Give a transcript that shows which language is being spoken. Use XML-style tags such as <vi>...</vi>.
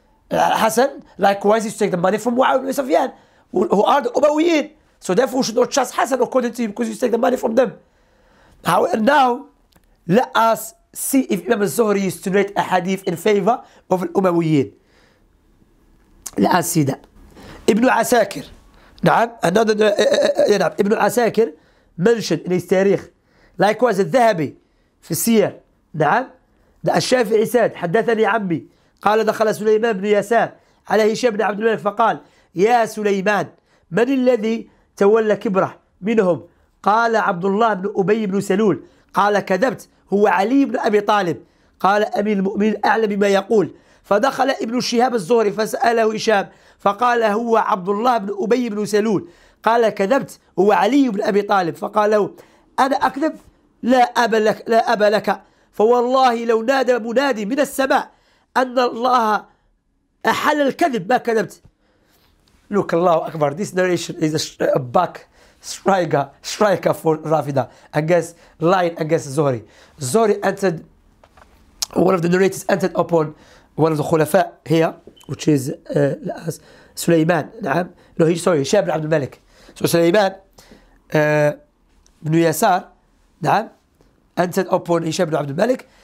<en>Al-Hasan, likewise, used to take the money from Mu'awiyah ibn Sufyan, who are the Umayyad. So therefore, we should not trust Hasan according to him, because he used to take the money from them. However, now, let us see if Imam al-Zuhri used to narrate a hadith in favor of the Umayyad. Let us see that. Ibn Asakir.</en> <ar>نعم نعم ابن عساكر منشن إن التاريخ</ar> <en>likewise</en> <ar>الذهبي في السير نعم الشافعي ساد حدثني عمي قال دخل سليمان بن يسار على هشام بن عبد الملك فقال يا سليمان من الذي تولى كبره منهم قال عبد الله بن أبي بن سلول قال كذبت هو علي بن أبي طالب قال أمير المؤمنين أعلم بما يقول فدخل ابن شهاب الزهري فسأله هشام فقال هو عبد الله بن أبي بن سلول قال كذبت هو علي بن أبي طالب فقال له أنا أكذب لا أبى لك لا أبى لك فوالله لو نادى منادي من السماء أن الله أحل الكذب ما كذبت.</ar> <en>Look,</en> <ar>الله أكبر.</ar> <en>This narration is a back striker for Rafida against lying against Zuhri. Zuhri entered, one of the narrators entered upon one of the Khulafa here, which is Sulaiman. نعم. No, he's sorry, Shah ibn Abd al-Malik. So Sulaiman ibn Yasar, نعم, entered upon Shah ibn Abd al-Malik.</en>